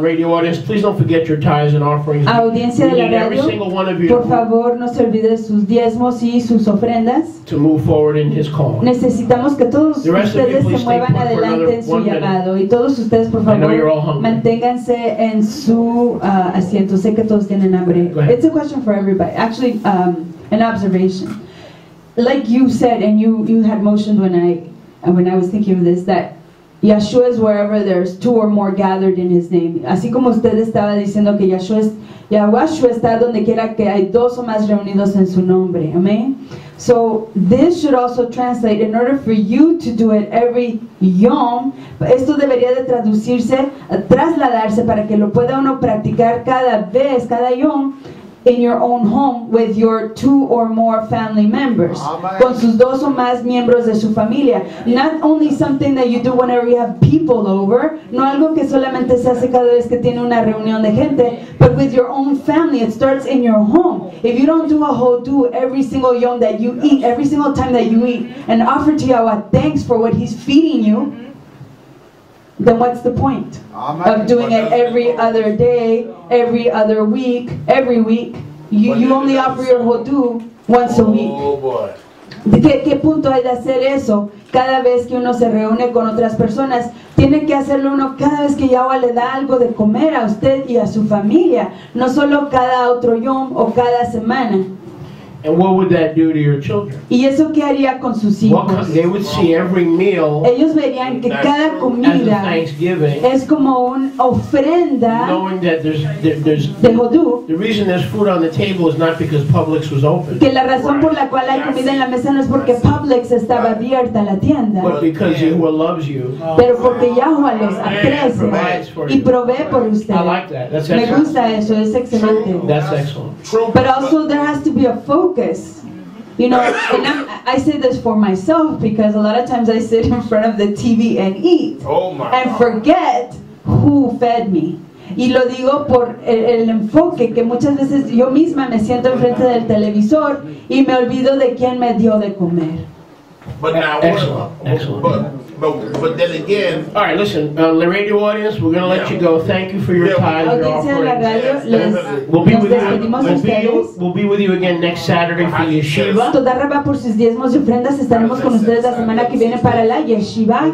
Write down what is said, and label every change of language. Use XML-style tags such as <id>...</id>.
<en>Radio audience, please don't forget your tithes and offerings.</en> <es>Audiencia de la radio.</es> <en>Every single one of you.</en> <es>Por favor, no se olvide sus diezmos y sus ofrendas.</es> <en>To move forward in his call.</en> <es>Necesitamos que todos ustedes se muevan adelante en su llamado. Y todos ustedes, por favor, manténganse en su asiento. Sé que todos tienen hambre.</es> <en>It's a question for everybody. Actually, an observation. Like you said, and you had motioned when I was thinking of this, that Yahshua is wherever there's two or more gathered in his name.</en> <es>Así como usted estaba diciendo que Yahshua está donde quiera que hay dos o más reunidos en su nombre.</es> <en>Amen. So this should also translate, in order for you to do it every Yom,</en> <es>esto debería de traducirse, trasladarse para que lo pueda uno practicar cada vez, cada Yom,</es> <en>in your own home with your two or more family members. Amen.</en> <es>Con sus dos o más miembros de su familia.</es> <en>Not only something that you do whenever you have people over,</en> <es>no algo que solamente se hace cada vez que tiene una reunión de gente,</es> <en>but with your own family. It starts in your home. If you don't do a hodu every single yom that you eat, every single time that you eat, and offer to Yahweh thanks for what he's feeding you, then what's the point of doing it every other day, every other week, every week? You only offer your hodu once a week. Oh boy.</en> <es>¿Qué punto hay de hacer eso? Cada vez que uno se reúne con otras personas, tiene que hacerlo uno cada vez que Yahweh le da algo de comer a usted y a su familia, no solo cada otro yom o cada semana.</es> <en>And what would that do to your children?</en> <es>¿Y eso qué haría con sus hijos?</es> <en>Well, they would see every meal.</en> <es>Ellos verían que cada comida es como una ofrenda.</es> <en>Knowing that there's</en> <es>de hodú.</es> <en>The reason there's food on the table is not because Publix was open.</en> <es>Que la razón por la cual hay comida en la mesa no es porque Publix estaba abierta la tienda.</es> <en>But because Yahweh loves you.</en> <es>Pero porque Yahweh los aprecia y provee por usted.</es> <en>I like that. That's excellent.</en> <es>Me gusta eso. Es excelente.</es> <en>That's excellent. But also there has to be a focus. Focus. You know, and I say this for myself because a lot of times I sit in front of the TV and eat and forget who fed me.</en> <es>Y lo digo por el enfoque que muchas veces yo misma me siento enfrente del televisor y me olvido de quién me dio de comer.</es> <en>But now, excellent. But then again, all right, listen, the radio audience, we're going to let you go. Thank you for your time. We'll be with you again next Saturday for Yeshiva.</en> <es>Toda Rabba por sus diezmos y ofrendas, estaremos con ustedes la semana que viene para la Yeshiva.</es>